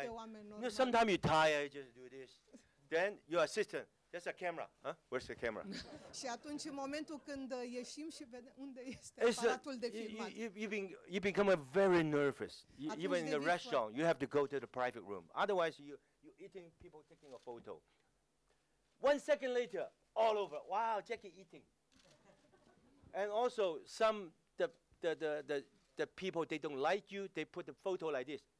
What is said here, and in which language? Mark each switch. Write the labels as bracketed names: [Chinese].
[English] you know, sometimes you tired, you just do this. Then your assistant, there's a camera, huh? Where's the camera? [Romanian] Și atunci în momentul când ieșim și vedem unde este aparatul de filmat. [English] You become a very nervous. Even in the restaurant, you have to go to the private room. Otherwise, you eating, people taking a photo. 1 second later, all over. Wow, Jackie eating. And also some the people, they don't like you, they put the photo like this.